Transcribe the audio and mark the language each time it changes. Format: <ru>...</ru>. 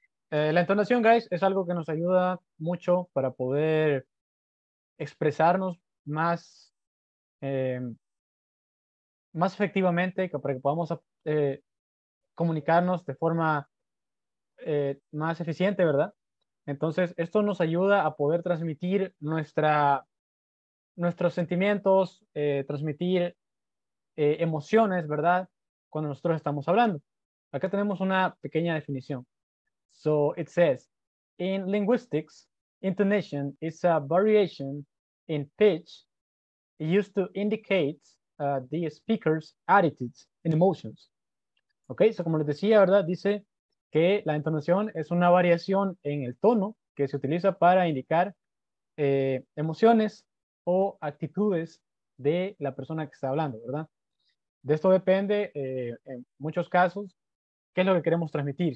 <es>La entonación, guys, es algo que nos ayuda mucho para poder expresarnos más, más efectivamente, para que podamos comunicarnos de forma más eficiente, ¿verdad? Entonces, esto nos ayuda a poder transmitir nuestros sentimientos, transmitir emociones, ¿verdad? Cuando nosotros estamos hablando. Acá tenemos una pequeña definición.</es> <en>So, it says, in linguistics, intonation is a variation in pitch used to indicate the speaker's attitudes and emotions.</en> <es>Ok, so como les decía, ¿verdad? Dice que la entonación es una variación en el tono que se utiliza para indicar emociones o actitudes de la persona que está hablando, ¿verdad? De esto depende, en muchos casos, qué es lo que queremos transmitir.</es>